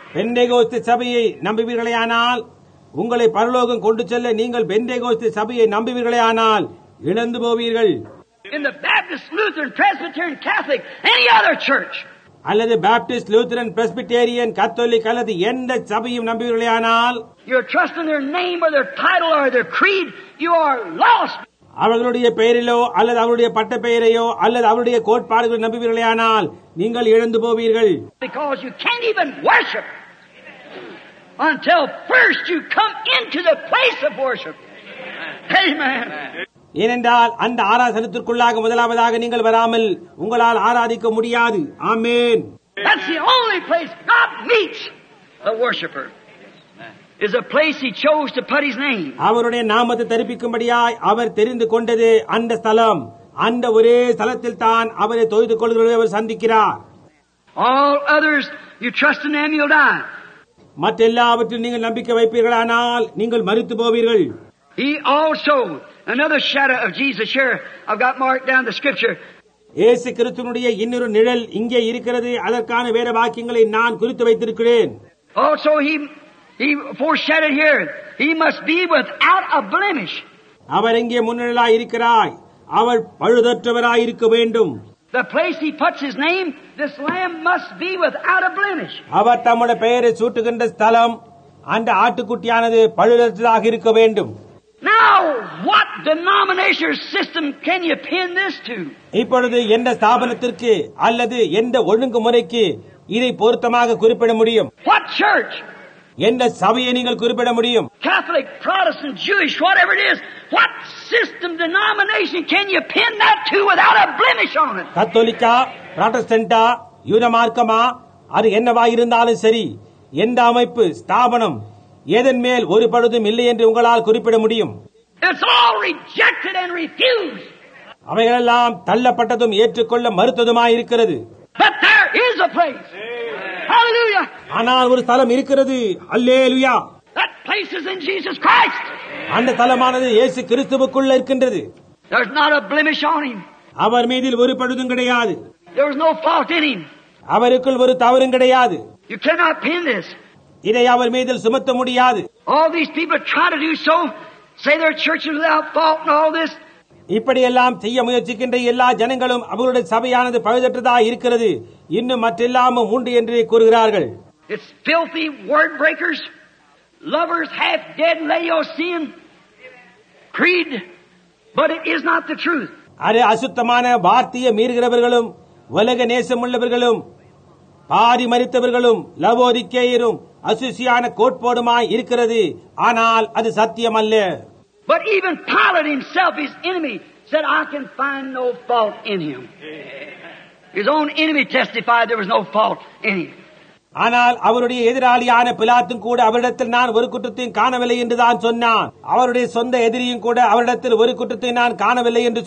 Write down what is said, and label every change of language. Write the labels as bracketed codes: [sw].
[ta] பெந்தேகோஸ்து சபையை நம்புவீர்களானால் உங்களை பரலோகம் கொண்டு செல்ல நீங்கள் பெந்தேகோஸ்து சபையை நம்புவீர்களானால் இழந்து போவீர்கள். [en] In the Baptist, Lutheran, Presbyterian, Catholic, any other church. [ta] அல்லது பாப்டிஸ்ட், லூத்தரன், பிரஸ்பிட்டேரியன், கத்தோலிக் அல்லது எந்த சபையும் நம்புவீர்களானால் [en] you're trusting their name or their title or their creed, you are lost. [ta] அவர்களுடைய பெயரிலோ அல்லது அவருடைய பட்ட பெயரையோ அல்லது அவருடைய கோட்பாடுகளை நம்புவீர்களானால் நீங்கள் இழந்து போவீர்கள். [en] Because you can't even worship until first you come into the place of worship. Amen. [ta] ஏனென்றால் அந்த ஆராதனத்திற்குள்ளாக முதலாவதாக நீங்கள் வராமல் உங்களால் ஆராதிக்க முடியாது. ஆமேன். [en] That's the only place God meets the worshipper. Is a place he chose to put his name. [ta] அவருடைய நாமத்தை தரிப்பிக்கும்படியாய் அவர் தெரிந்து கொண்டது அந்த ஸ்தலம். அந்த ஒரே ஸ்தலத்தில் தான் அவரை தொழுது கொள்கிறவர்களை அவர் சந்திக்கிறார். [en] All others you trust in them, you'll die. [ta] மற்ற எல்லாவற்றையும் நீங்கள் நம்பிக்கை வைப்பீர்களானால் நீங்கள் மரித்து போவீர்கள். [en] He also, another shadow of Jesus here, I've got marked down the scripture. [ta] இயேசு கிறிஸ்துவினுடைய இன்னொரு நிழல் இங்கே இருக்கிறது. அதற்கான வேறு வாக்கியங்களை நான் குறித்து வைத்திருக்கிறேன். [en] Also he foreshadowed here, he must be without a blemish. [ta] அவர் இங்கே முன்னிலாய் இருக்கிறாய், அவர் பழுதற்றவராய் இருக்க வேண்டும். [en] The place he puts his name, this lamb must be without a blemish. [ta] அவர் தம்முடைய பெயரை சூட்டுகின்ற ஸ்தலம் அந்த ஆட்டுக்குட்டியானது பழுதற்றதாக இருக்க வேண்டும். [en] Now, what denomination system can you pin this to? [ta] இப்பொழுது எந்த ஸ்தாபனத்திற்கு அல்லது எந்த ஒழுங்குமுறைக்கு இதை பொருத்தமாக குறிப்பிட முடியும்? [en] What church? [ta] எந்த சபையை நீங்கள் குறிப்பிட முடியும்? [en] Catholic, Protestant, Jewish, whatever it is, what system, denomination can you pin that to without a blemish on it? [ta] கத்தோலிக்கா, ப்ரொடெஸ்டன்டா, யூதமார்க்கமா, அது என்னவா இருந்தாலும் சரி, எந்த அமைப்பு ஸ்தாபனம் எதன் மேல் ஒரு பழுதும் இல்லை என்று உங்களால் குறிப்பிட முடியும்? [en] It's all rejected and refused. [ta] அவைகளெல்லாம் தள்ளப்பட்டதும் ஏற்றுக்கொள்ள மறுத்ததுமாய் இருக்கிறது. [en] But there is a place. Hallelujah. [ta] ஆனால் ஒரு ஸ்தலம் இருக்கிறது. Hallelujah. [en] That place is in Jesus Christ. [ta] அந்த ஸ்தலமானது இயேசு கிறிஸ்துவுக்குள்ள இருக்கின்றது. [en] There's not a blemish on him. [ta] அவர் மீதில் ஒரு பழுதும் கிடையாது. [en] There's no fault in him. [ta] அவருக்குள் ஒரு தவறும் கிடையாது. [en] You cannot pin this. [ta] இதை அவர் மீதில் சுமத்த முடியாது. [en] All these people try to do so, say their church is without fault and all this. [ta] இப்படியெல்லாம் செய்ய முயற்சிக்கின்ற எல்லா ஜனங்களும் அவருடைய சபையானது பழுதற்றதாக இருக்கிறது, இன்னும் மற்றெல்லாமும் உண்டு என்று கூறுகிறார்கள். [en] It's filthy word breakers, lovers half dead Laodicean creed, but it is not the truth. [ta] அது அசுத்தமான வார்த்தைய மீறுகிறவர்களும் உலக நேசமுள்ளவர்களும் பாதி மறித்தவர்களும் லவோதிக்கேயரும் அசுசியான கோட்பாடுமாய் இருக்கிறது. ஆனால் அது சத்தியம் அல்ல. [en] But even Pilate himself, his enemy, said, I can find no fault in him. His own enemy testified there was no fault in him. [ta] ஆனால் அவருடைய எதிராளியான பிலாத்தும் கூட அவரிடத்தில் நான் ஒரு குற்றத்தையும் காணவில்லை என்று தான் சொன்னான். அவருடைய சொந்த எதிரியும் கூட அவரிடத்தில் ஒரு குற்றத்தையும் நான் காணவில்லை என்று